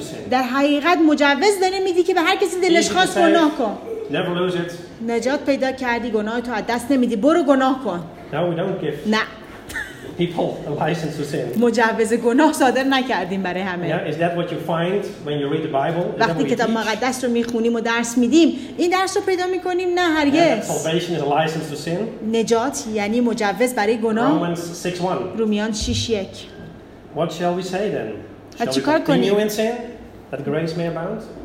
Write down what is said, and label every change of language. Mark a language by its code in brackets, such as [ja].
[fa] در حقیقت مجوز داری میدی که به هر کسی دلش خواست گناه کن. نجات پیدا کردی، گناه تو از دست نمیدی. برو گناه کن. نه. [en] People a license to sin. [fa] مجوز گناه صادر نکردیم برای همه. [en] Yeah, is that what you find when you read the Bible? [fa] وقتی کتاب مقدس رو میخونیم و درس میدیم، این درس رو پیدا میکنیم؟ نه، هرگز. [en] Yeah, salvation is a license to sin. [fa] نجات یعنی مجوز برای گناه. [en] Romans 6:1. [fa] رومیان 6:1. [en] What shall we say then? Shall we continue in sin that grace may abound?